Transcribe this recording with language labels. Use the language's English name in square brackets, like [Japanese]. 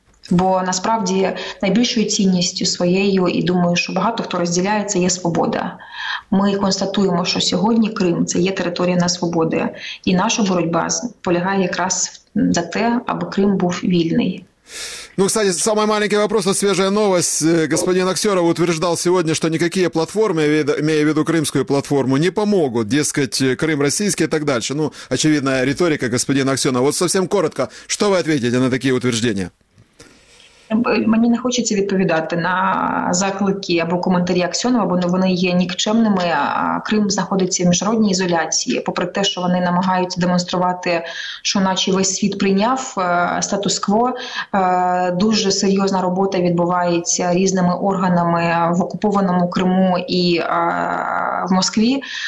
[Ukrainian] Бо насправді найбільшою цінністю своєю, і думаю, що багато хто розділяє, це є свобода. Ми констатуємо, що сьогодні Крим – це є територія на свободи. І наша боротьба полягає якраз за те, аби Крим був вільний. [Russian] Ну, кстати, самый маленький вопрос, вот свежая новость. Господин Аксёров утверждал сегодня, что никакие платформы, имея в виду крымскую платформу, не помогут, дескать, Крым российский и так дальше. Ну, очевидная риторика господина Аксёнова. Вот совсем коротко, что вы ответите на такие утверждения? [Ukrainian] Мені не хочеться відповідати на заклики або коментарі Аксьонова, бо вони є нікчемними. Крим знаходиться в міжнародній ізоляції, попри те, що вони намагаються демонструвати, що наче весь світ прийняв статус-кво. Дуже серйозна робота відбувається різними органами в окупованому Криму і в Москві.